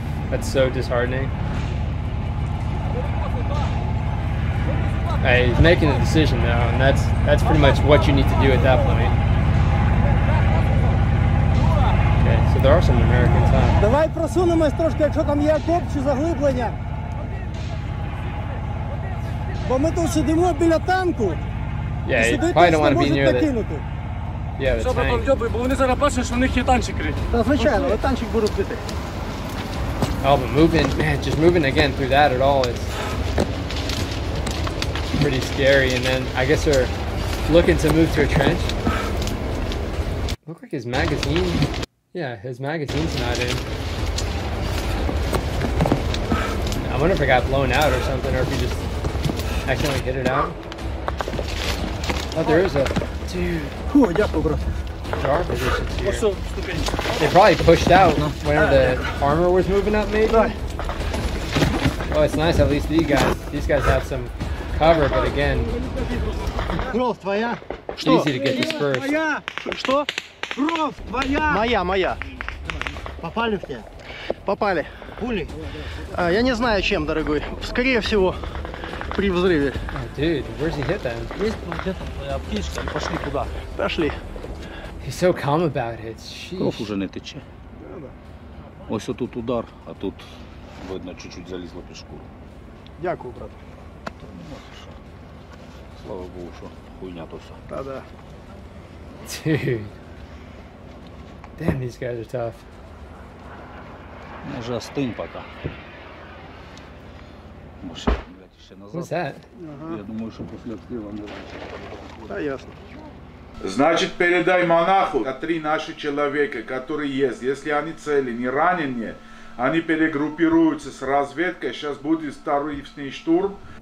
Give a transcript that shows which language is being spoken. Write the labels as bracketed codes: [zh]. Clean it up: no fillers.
[en] That's so disheartening. Hey, he's making a decision now, and that's pretty much what you need to do at that point. Okay, so there are some Americans, huh? [uk] Давай просунемось трошки, якщо там є окоп чи заглиблення. Бо ми тут сидимо біля танку. [en] Yeah, you probably don't want to be near the... Yeah, the tank. [uk] Бо вони зараз бачать, що в них є танчик крити. Та звичайно, але танчик будуть крити. [en] Oh, but moving, man, just moving again through that at all is... pretty scary. And then I guess they're looking to move to a trench. Look like his magazine. Yeah, his magazine's not in. I wonder if it got blown out or something, or if he just accidentally hit it out. Oh, there is a... Dude. Oh, thank you, bro. Jar positions here. They probably pushed out whenever the armor was moving up, maybe? Oh, it's nice, at least these guys have some cover, but again... [uk] Кров твоя? [en] Easy to get dispersed. [uk] Моя! [ru] Что? [uk] Кров твоя! Моя. [ru] Попали в тебя? Попали. Пули? А, я не знаю, чем, дорогой. Скорее всего, при взрыве. [en] Oh, dude, where's he hit then? [ru] Есть где-то твоя аптечка, пошли туда. Пошли. [en] He's so calm about it. Sheesh. [uk] Кров уже не тече. Ось отут удар, а тут, видно, чуть-чуть залізло під шкуру. Дякую, брат. Слава Богу, що хуйня то все. Та-да. [en] Dude. Damn, these guys are tough. [ru] Може, остынь пока. [uk] Може, блядь, ще назад. [en] What's that? [uk] Я думаю, що після взрыва не раніше. Та ясно. [ru] Значит, передай монаху, а три наши человека, которые есть, если они цели, не ранены, они перегруппируются с разведкой, сейчас будет второй штурм.